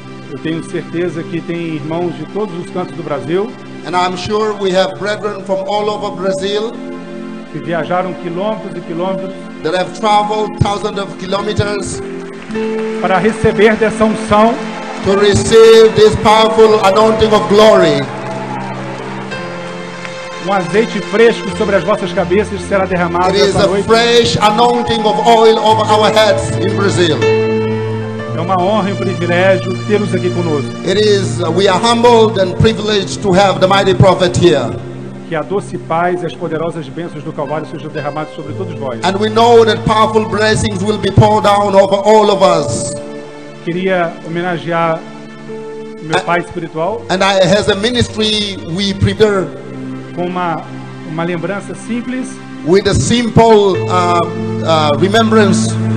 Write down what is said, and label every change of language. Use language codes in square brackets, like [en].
[pt] Eu tenho certeza que tem irmãos de todos os cantos do Brasil. [en] And I'm sure we have brethren from all over Brazil. [pt] Que viajaram quilômetros e quilômetros. [en] That have traveled thousands of kilometers. [pt] Para receber dessa unção. [en] To receive this powerful anointing of glory. [pt] Um azeite fresco sobre as vossas cabeças será derramado esta noite. [en] There is a fresh anointing of oil over our heads in Brazil. [pt] É uma honra e um privilégio tê-los aqui conosco. [en] It is, we are humbled and privileged to have the mighty prophet here. [pt] Que a doce paz e as poderosas bênçãos do Calvário sejam derramadas sobre todos vós. [en] And we know that powerful blessings will be poured down over all of us. [pt] Queria homenagear meu pai espiritual. [en] And I, as a ministry, we prepare [pt] com uma lembrança simples. [en] With a simple remembrance.